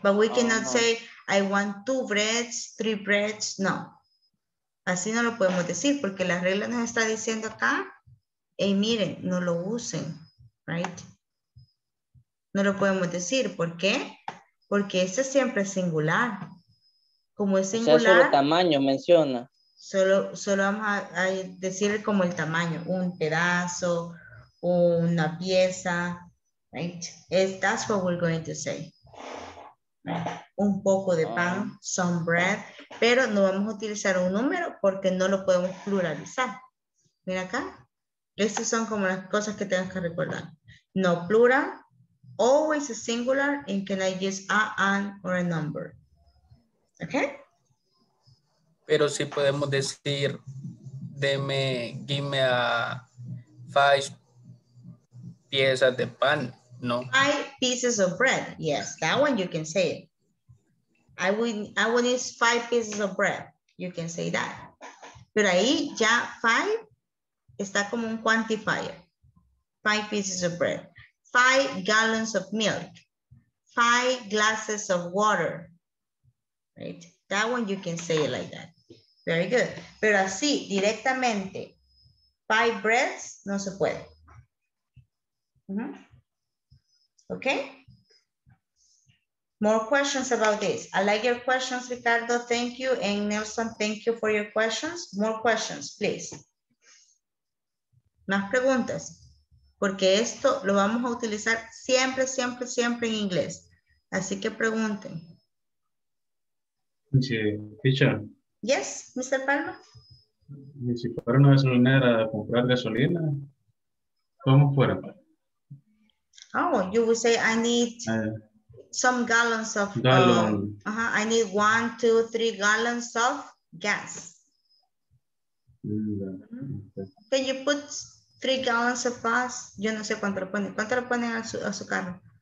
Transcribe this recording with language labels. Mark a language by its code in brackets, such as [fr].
[en] But we cannot say, I want two breads, three breads. No. [es] Así no lo podemos decir porque la regla nos está diciendo acá. Hey, miren, no lo usen. [en] Right. [es] No lo podemos decir. ¿Por qué? Porque ese siempre es singular. Como es singular. O sea, solo tamaño menciona. Solo vamos a decir como el tamaño, un pedazo, una pieza, right? [en] That's what we're going to say. [es] Un poco de pan, [en] some bread, [es] pero no vamos a utilizar un número porque no lo podemos pluralizar. Mira acá, estas son como las cosas que tengas que recordar. [en] No plural, always a singular, and can I use a, an, or a number. Okay? [es] Pero sí podemos decir, deme, [en] give me a five [es] piezas de pan, no. [en] Five pieces of bread, yes, that one you can say it. I would need five pieces of bread, you can say that. [es] Pero ahí ya five está como un quantifier. [en] Five pieces of bread, 5 gallons of milk, 5 glasses of water, right? That one you can say it like that. Very good. [es] Pero así, directamente, [en] 5 breads, [es] no se puede. [en] Okay? More questions about this. I like your questions, Ricardo. Thank you. And Nelson, thank you for your questions. More questions, please. [es] Más preguntas. Porque esto lo vamos a utilizar siempre, siempre, siempre en inglés. Así que pregunten. Sí, teacher. [en] Yes, Mr. Palma. [es] ¿Y si fuera una gasolinera a comprar gasolina, cómo fuera? [en] Oh, you would say, I need some gallons of gallon. I need 1, 2, 3 gallons of gas. Mm-hmm. Can you put 3 gallons of gas? [es] Yo no sé cuánto lo ponen. ¿Cuánto lo ponen a su carro?